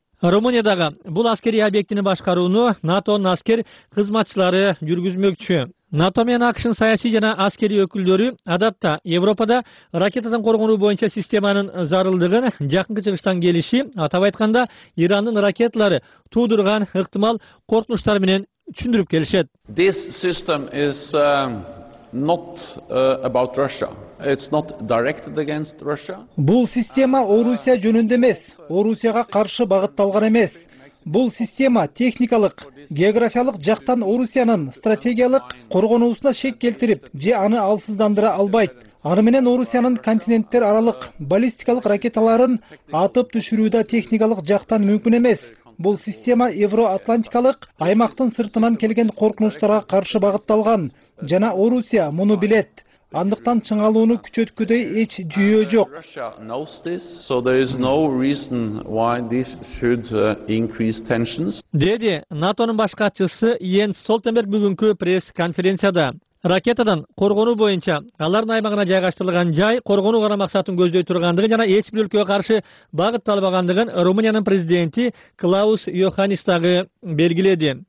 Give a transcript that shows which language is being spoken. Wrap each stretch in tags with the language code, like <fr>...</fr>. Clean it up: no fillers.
<ky>Румыниядагы бул аскерий объектини башкарууну НАТОнун аскер кызматчылары жүргүзмөкчү. НАТО менен АКШнын саясий жана аскерий өкүлдөрү адатта Европада ракетадан коргонуу боюнча системанын зарылдыгын жакынкы чыгыштан келиши, атап айтканда Ирандын ракеталары туудурган ыктымал коркунучтар менен түшүндүрүп келишет.</ky> <en>This system is not about Russia. It's not directed against Russia.</en> <ky>Бул система Орусия жөнүндө эмес, Орусияга каршы багытталган эмес. Бул система техникалык, географиялык жактан Орусиянын стратегиялык коргонуусуна шек келтирип же аны алсыздандыра албайт. Аны менен Орусиянын континенттер аралык баллистикалык ракеталарын атып түшүрүүдө техникалык жактан мүмкүн эмес. Бул система евроатлантикалык аймактын сыртынан келген коркунучтарга каршы багытталган жана Орусия муну билет. Андыктан чыңалууну күчөткүдөй эч жүйө жок.</ky> <en>So there is no reason why this should increase tensions.</en> <ky>Деди НАТОнун баш катчысы Йенс Столтенберг бүгүнкү пресс-конференцияда. Ракетадан коргонуу боюнча алардын аймагына жайгаштырылган жай коргонуу гана максатын көздөй тургандыгын жана эч бир өлкөгө каршы багытталбагандыгын Румыниянын президенти Клаус Йоханнис дагы белгиледи.</ky>